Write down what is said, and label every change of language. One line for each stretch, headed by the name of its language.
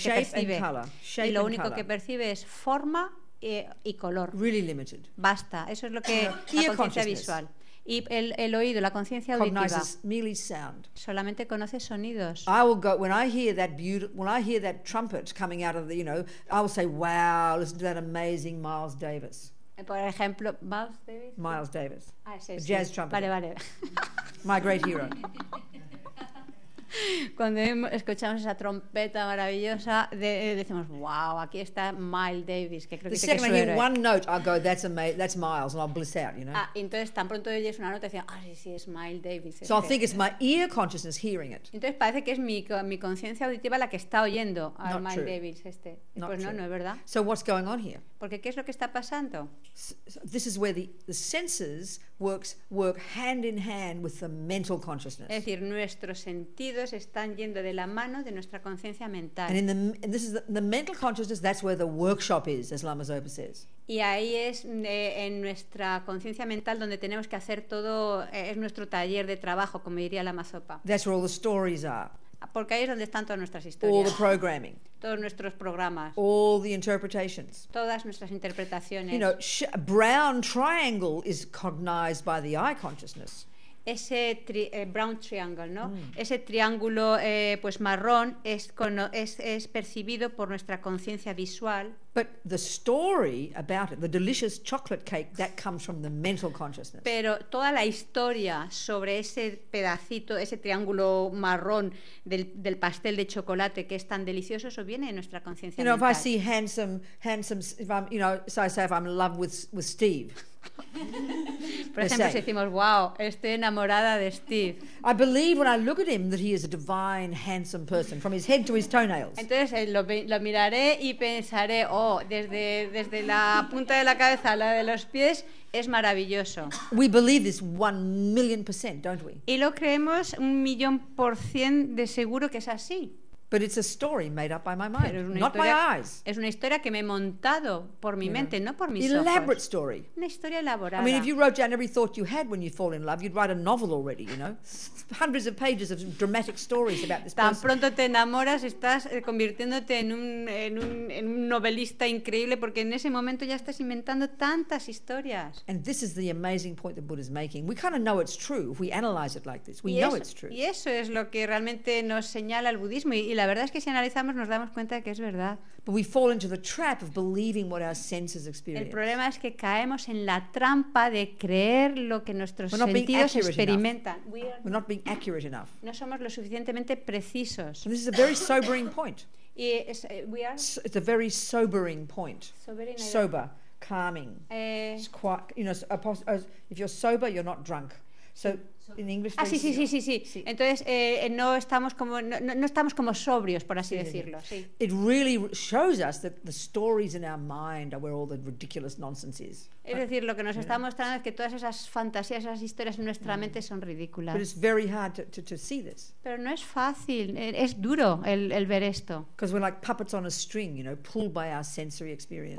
English: shape
Spanish: que percibe
English: and color. Shape
Spanish: y lo
English: and
Spanish: único
English: color.
Spanish: Que percibe es forma y color.
English: Really limited.
Spanish: Basta, eso es lo que la conciencia visual. Y el oído, la conciencia auditiva, solamente conoce sonidos.
English: I will go when I hear that when I hear that trumpet coming out of the, you know, I will say, wow, listen to that amazing Miles Davis.
Spanish: Por ejemplo, Miles Davis. Miles Davis. Ah, sí,
English: a jazz trumpet.
Spanish: Vale, vale.
English: My great hero.
Spanish: Cuando escuchamos esa trompeta maravillosa, decimos, wow, aquí está Miles Davis, que creo que es su
English: héroe. The second I hear one note, I'll go, that's Miles, and I'll bliss out, you know.
Spanish: Ah, entonces tan pronto oyes una nota, decimos, ah, sí, sí, es Miles Davis.
English: So I think it's my ear consciousness hearing it.
Spanish: Entonces parece que es mi conciencia auditiva la que está oyendo a Miles Davis este. Pues no, no es verdad.
English: So what's going on here?
Spanish: Porque ¿qué es lo que está pasando?
English: This is where the senses work hand in hand with the mental consciousness.
Spanish: Es decir, nuestros sentidos están yendo de la mano de nuestra conciencia mental.
English: And this is the mental consciousness, that's where the workshop is, as Lama Zopa says.
Spanish: Y ahí es en nuestra conciencia mental donde tenemos que hacer todo, es nuestro taller de trabajo, como diría Lama Zopa.
English: That's where all the stories are.
Spanish: Porque ahí es donde están todas nuestras historias.
English: All the programming.
Spanish: Todos nuestros programas.
English: All the interpretations.
Spanish: Todas nuestras interpretaciones.
English: You know, brown triangle is cognized by the eye consciousness.
Spanish: Ese
English: brown triangle,
Spanish: ¿no? Mm. Ese triángulo pues marrón es percibido por nuestra conciencia visual.
English: But the story about it, the delicious chocolate cake, that comes from the mental consciousness.
Spanish: Pero toda la historia sobre ese pedacito, ese triángulo marrón del pastel de chocolate que es tan delicioso, eso viene de nuestra conciencia mental.
English: You know, if I see handsome, if I'm, you know, so I say if I'm in love with Steve.
Spanish: Por ejemplo, si decimos, wow, estoy enamorada de Steve.
English: I believe when I look at him that he is a divine, handsome person from his head to his toenails.
Spanish: Entonces lo miraré y pensaré, oh, desde la punta de la cabeza a la de los pies es maravilloso.
English: We believe this 1,000,000%, don't we?
Spanish: Y lo creemos 1,000,000% de seguro que es así.
English: But it's a story made up by my mind, not my eyes.
Spanish: Es una historia que me he montado por mi mente, no por mis ojos.
English: Elaborate story.
Spanish: Una historia elaborada.
English: I mean, if you wrote down every thought you had when you fall in love, you'd write a novel already, you know? Hundreds of pages of dramatic stories about this
Spanish: Tan
English: person.
Spanish: Tan pronto te enamoras, estás convirtiéndote en un novelista increíble porque en ese momento ya estás inventando tantas historias.
English: And this is the amazing point that Buddha is making. We kind of know it's true if we analyze it like this. We know it's true.
Spanish: Y eso es lo que realmente nos señala el budismo. Y la verdad es que si analizamos nos damos cuenta de que es verdad.
English: But we fall into the trap of believing what our senses experience.
Spanish: El problema es que caemos en la trampa de creer lo que nuestros sentidos experimentan.
English: We're not being accurate enough.
Spanish: No somos lo suficientemente precisos.
English: And this is a very sobering point.
Spanish: Y es,
English: we are. It's a very sobering point. Sobering. Sober, calming. It's quite, you know, if you're sober, you're not drunk. So.
Spanish: Ah, sí. Entonces no estamos como sobrios, por así decirlo. Sí.
English: It really shows us that the stories in our mind are where all the ridiculous nonsense is.
Spanish: Es decir, lo que nos está mostrando es que todas esas fantasías, esas historias en nuestra mente son ridículas.
English: But it's very hard to see this.
Spanish: Pero no es fácil, es duro el ver esto.
English: Because we're like puppets on a string, you know, pulled by our sensory experiences.